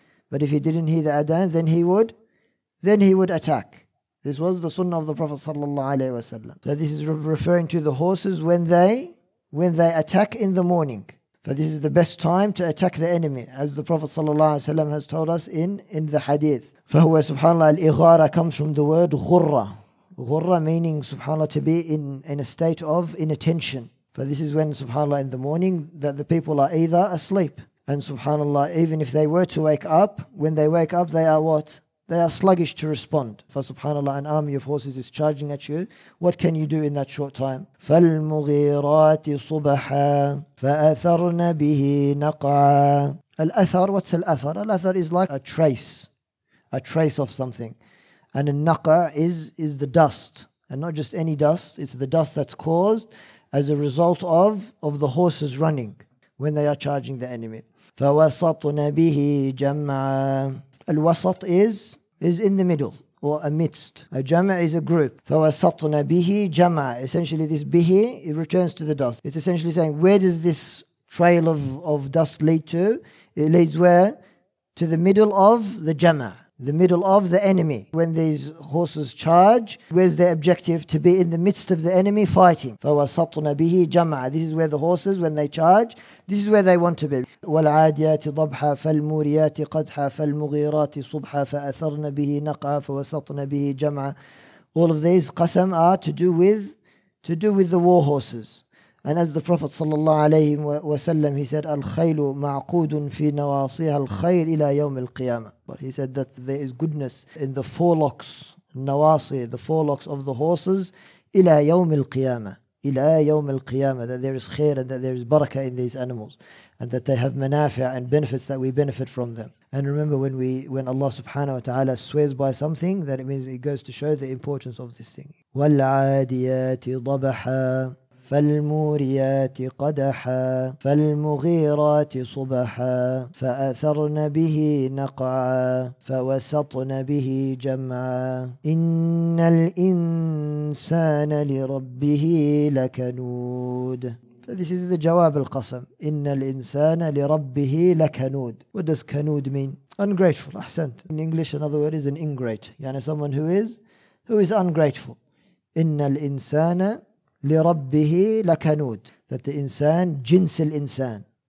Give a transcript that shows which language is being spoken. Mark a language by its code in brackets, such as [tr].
[en] But if he didn't hear the adhan, then he would attack. This was the sunnah of the Prophet ﷺ. So this is referring to the horses when they attack in the morning. For this is the best time to attack the enemy, as the Prophet sallallahu alaihi wasallam has told us in the hadith. [ar] فهو سبحان الله الإغارة [en] comes from the word [ar] غرة. [en] غرة meaning subhanAllah to be in a state of inattention. For this is when subhanAllah in the morning that the people are either asleep. And subhanAllah, even if they were to wake up, when they wake up, they are what? They are sluggish to respond. For subhanAllah, an army of horses is charging at you. What can you do in that short time? [ar] فَالْمُغِيرَاتِ صُبَحًا فَأَثَرْنَا بِهِ نَقْعًا [en] Al-Athar, what's Al-Athar? Al-Athar is like a trace of something. And a naqa is the dust. And not just any dust, it's the dust that's caused as a result of the horses running when they are charging the enemy. [ar] فَوَسَطْنَا بِهِ جَمْعًا [en] Al-wasat is in the middle or amidst. A jama' is a group. [ar] فَوَسَطْنَا بِهِ جَمْعًا [en] Essentially this bihi, it returns to the dust. It's essentially saying, where does this trail of dust lead to? It leads where? To the middle of the jama'. The middle of the enemy. When these horses charge, where's their objective? To be in the midst of the enemy fighting. [ar] فَوَسَطْنَا بِهِ جَمْعًا [en] This is where the horses, when they charge, this is where they want to be. [ar] وَالْعَادِيَاتِ ضَبْحًا فَالْمُورِيَاتِ قَدْحًا فَالْمُغِيرَاتِ صُبْحًا فَأَثَرْنَا بِهِ نَقْعًا فَوَسَطْنَا بِهِ جَمْعًا [en] All of these qasam are to do with the war horses. And as the Prophet sallallahu alayhi wa sallam, he said, [ar] Al-khaylu ma'qudun fi nawasiha al-khayr ila yawm al-qiyamah. [en] But he said that there is goodness in the forelocks, nawasi, the forelocks of the horses, ila yawm al-qiyamah. Ila yawm al-qiyamah, that there is khair and that there is barakah in these animals. And that they have manafi' and benefits that we benefit from them. And remember when Allah subhanahu wa ta'ala swears by something, that it means it goes to show the importance of this thing. [ar] وَالْعَادِيَاتِ ضَبَحًا فَالْمُورِيَاتِ قَدَحًا فَالْمُغِيرَاتِ صُبَحًا فَأَثَرْنَا بِهِ نَقْعًا فَوَسَطْنَا بِهِ جَمْعًا إِنَّ الْإِنسَانَ لِرَبِّهِ لَكَنُودٌ [en] So this is the jawab al-qasam. [ar] إِنَّ الْإِنسَانَ لِرَبِّهِ لَكَنُودٌ [en] What does kanood mean? Ungrateful, ahsant. In English, another word is an ingrate. Yani someone who is ungrateful. [ar] إِنَّ الْإِنسَانَ لِرَبِّهِ لَكَنُود [en] That the insan, jins al-insan.